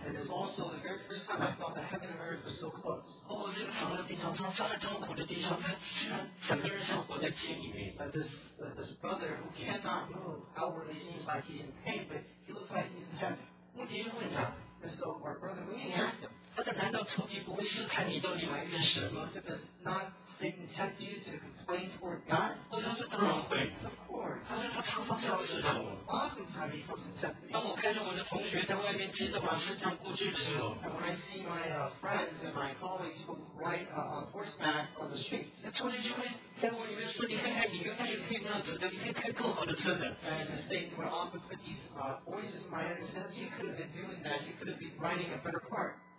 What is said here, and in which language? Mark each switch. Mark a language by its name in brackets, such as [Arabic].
[English] And it's also the very first time I felt that heaven and earth were so close. [Chinese] 哦，这个躺在病床上这么痛苦的地方，他居然整个人像活在天里面。 [English] But this brother who cannot move outwardly seems like he's in pain, but he looks like he's in heaven. [Chinese] 问题就问他。 [English] And so our brother, when he asked him, [Chinese] 他说难道仇敌不会试探你到底埋怨神吗？ [English] Does not Satan tempt you to complain toward God? [Chinese] 我说当然会。 [English] Of course. [Chinese] 他说他常常这样试探我。 [English] Oftentimes he comes and tempts me. [Chinese] 当我看见我的同学在外面骑着马车这样过去的时候， [English] And when I see my friends and my colleagues who ride on horseback on the street, [Chinese] 仇敌就会在我里面说，你看看你原来也可以那样子的，你可以开更好的车的。 [English] And Satan would often put these voices in my head and say, you could have been doing that, you could have been riding a better car.